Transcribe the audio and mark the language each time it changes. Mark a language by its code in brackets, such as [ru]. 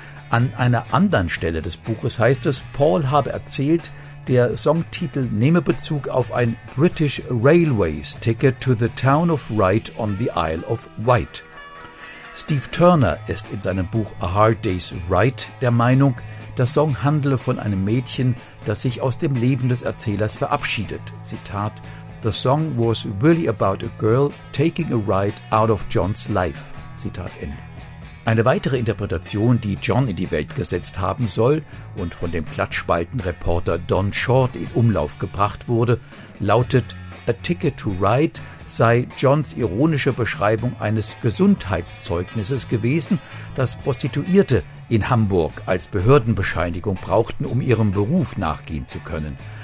[de] An einer anderen Stelle des Buches heißt es, Paul habe erzählt, der Songtitel nehme Bezug auf ein [en] British Railways Ticket to the Town of Wright on the Isle of Wight. [de] Steve Turner ist in seinem Buch A Hard Day's Ride der Meinung, der Song handle von einem Mädchen, das sich aus dem Leben des Erzählers verabschiedet. Zitat: [en] The song was really about a girl taking a ride out of John's life. [de] Zitat Ende. Eine weitere Interpretation, die John in die Welt gesetzt haben soll und von dem Klatschspalten-Reporter Don Short in Umlauf gebracht wurde, lautet: A Ticket to Ride sei Johns ironische Beschreibung eines Gesundheitszeugnisses gewesen, das Prostituierte in Hamburg als Behördenbescheinigung brauchten, um ihrem Beruf nachgehen zu können.